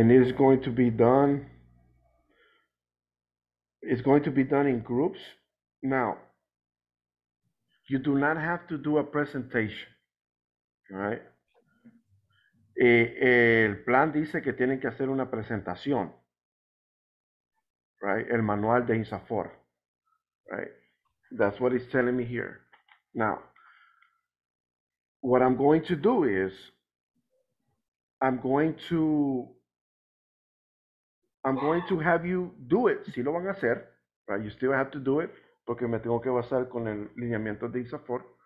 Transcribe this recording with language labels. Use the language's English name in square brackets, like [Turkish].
[English] And it's going to be done in groups. Now, you do not have to do a presentation, right? [Spanish] El plan dice que tienen que hacer una presentación, [English] right? [Spanish] El manual de INSAFOR, [English] right? That's what it's telling me here. Now, what I'm going to do is, I'm going to have you do it. [Spanish] Si lo van a hacer, [English] right? You still have to do it, [Spanish] porque me tengo que basar con el lineamiento de INSAFOR.